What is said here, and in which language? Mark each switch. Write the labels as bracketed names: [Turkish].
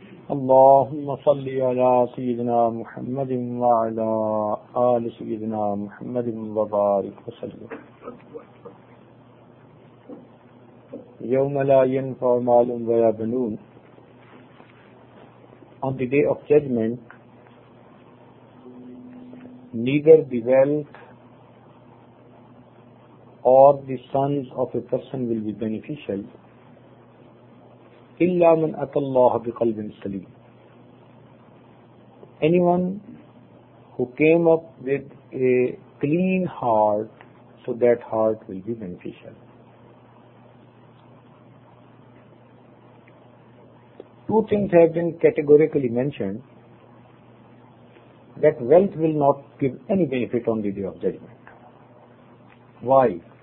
[Arabic] اللهم صل على سيدنا محمد وعلى آل سيدنا محمد وبارك وسلم يوم لا ينفع مال ولا بنون. [English] On the day of judgment, neither the wealth or the sons of a person will be beneficial. [Arabic] إلا من أتى الله بقلب سليم. [English] Anyone who came up with a clean heart, so that heart will be beneficial. Two things have been categorically mentioned, that wealth will not give any benefit on the day of judgment. Why?